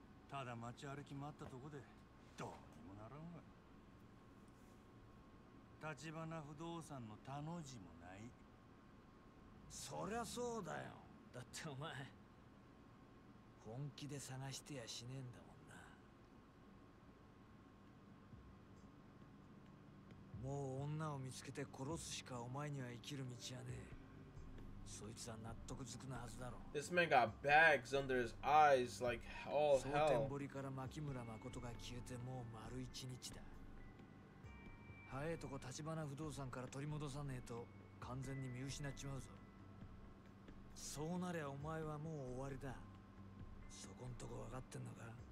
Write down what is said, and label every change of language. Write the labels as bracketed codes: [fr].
[en] Tada Macharikimata to go there. Don't you know? [ja] 橘不動産の田の字もない。そりゃそうだよ。だってお前本気で探してやしねえんだもんな。もう女を見つけて殺すしかお前には生きる道はねえ。そいつは納得づくなはずだろ。 [en] This man got bags under his eyes like all hell. [ja] 蒼天堀から牧村誠が消えてもう丸一日だ。早いとこ立花不動産から取り戻さねえと完全に見失っちまうぞ。そうなりゃお前はもう終わりだ。そこんとこ分かってんのか。